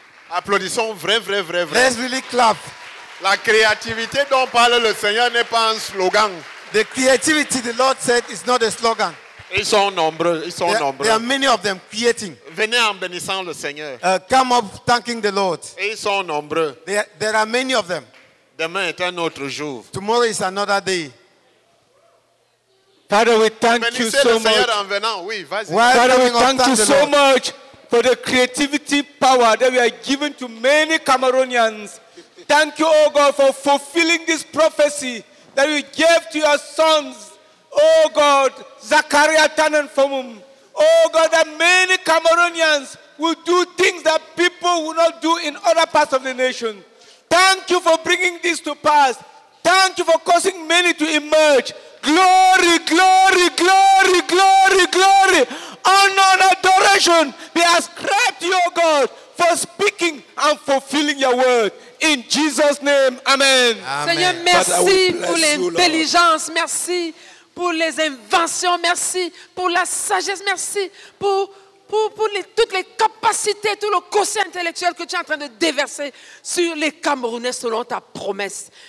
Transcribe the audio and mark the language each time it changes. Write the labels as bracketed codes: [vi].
[fr] Applaudissons, vrai. [en] Let's really clap. [fr] La créativité dont parle le Seigneur n'est pas un slogan. [en] The creativity the Lord said is not a slogan. [fr] Ils sont nombreux, ils sont nombreux. [en] There are many of them creating. [fr] Venez en bénissant le Seigneur. [en] Come up thanking the Lord. [fr] Ils sont nombreux. [en] There are many of them. [fr] Demain est un autre jour. [en] Tomorrow is another day. Father, we thank you so much. [fr] Bénissez le Seigneur en venant, oui, vas-y. [en] Father, we thank you so much for the creativity power that we are giving to many Cameroonians. Thank you, oh God, for fulfilling this prophecy that you gave to your sons, oh God, Zachariah Tannenfomum. Oh God, that many Cameroonians will do things that people will not do in other parts of the nation. Thank you for bringing this to pass. Thank you for causing many to emerge. Glory, glory, glory, glory, glory. Honor and adoration be ascribed to your God for speaking and fulfilling your word. In Jesus' name, amen. [fr] Seigneur, merci pour l'intelligence, merci pour les inventions, merci pour la sagesse, merci pour toutes les capacités, tout le quotient intellectuel que tu es en train de déverser sur les Camerounais selon ta promesse.